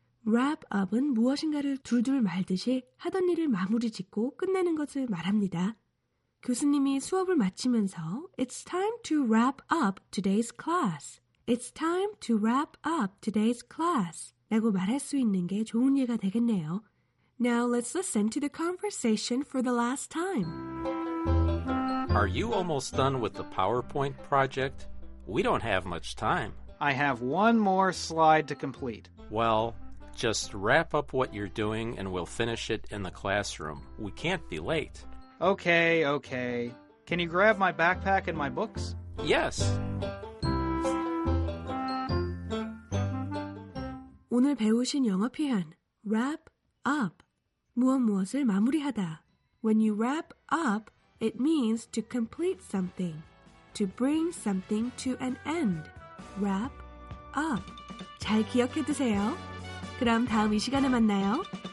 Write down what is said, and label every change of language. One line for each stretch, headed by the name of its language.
Korean: wrap up은 무엇인가를 둘둘 말듯이 하던 일을 마무리 짓고 끝내는 것을 말합니다. 교수님이 수업을 마치면서
English: It's time to wrap up today's class. It's time to wrap up today's class.
Korean: 라고 말할 수 있는 게 좋은 예가 되겠네요.
English: Now let's listen to the conversation for the last time. Are you almost done with the PowerPoint project? We don't have much time. I have one more slide to complete. Well, just wrap up what you're doing and we'll finish it in the classroom. We can't be late. Okay, okay. Can you grab my backpack and my books? Yes.
Korean: 오늘 배우신 영어 표현 wrap up 무엇 무엇을 마무리하다.
English: When you wrap up, it means to complete something, to bring something to an end.
Korean: Wrap up. 잘 기억해 두세요. 그럼 다음 이 시간에 만나요.